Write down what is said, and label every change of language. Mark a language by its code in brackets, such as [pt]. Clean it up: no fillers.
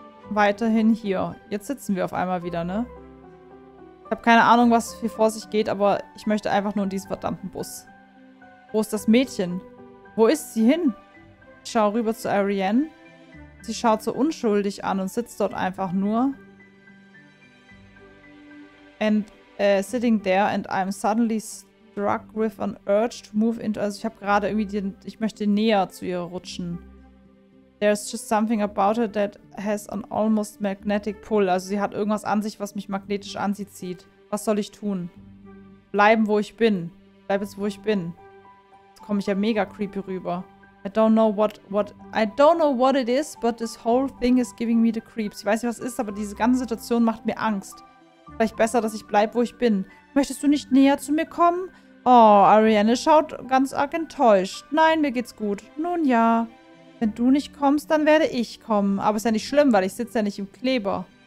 [de] Weiterhin hier. Jetzt sitzen wir auf einmal wieder, ne? Ich habe keine Ahnung, was hier vor sich geht, aber ich möchte einfach nur in diesen verdammten Bus. Wo ist das Mädchen? Wo ist sie hin? Ich schaue rüber zu Ariane. Sie schaut so unschuldig an und sitzt dort einfach nur. [en] And I'm suddenly struck with an urge to move into... [de] Also ich habe gerade irgendwie ich möchte näher zu ihr rutschen. [en] There's just something about her that has an almost magnetic pull. [de] Also sie hat irgendwas an sich, was mich magnetisch an sie zieht. Was soll ich tun? Bleiben, wo ich bin. Bleib jetzt, wo ich bin. Jetzt komme ich ja mega creepy rüber. [en] I don't know what it is, but this whole thing is giving me the creeps. [de] Ich weiß nicht, was ist, aber diese ganze Situation macht mir Angst. Vielleicht besser, dass ich bleib, wo ich bin. Möchtest du nicht näher zu mir kommen? Oh, Ariane schaut ganz arg enttäuscht. Nein, mir geht's gut. Nun ja. Wenn du nicht kommst, dann werde ich kommen. Aber ist ja nicht schlimm, weil ich sitze ja nicht im Kleber.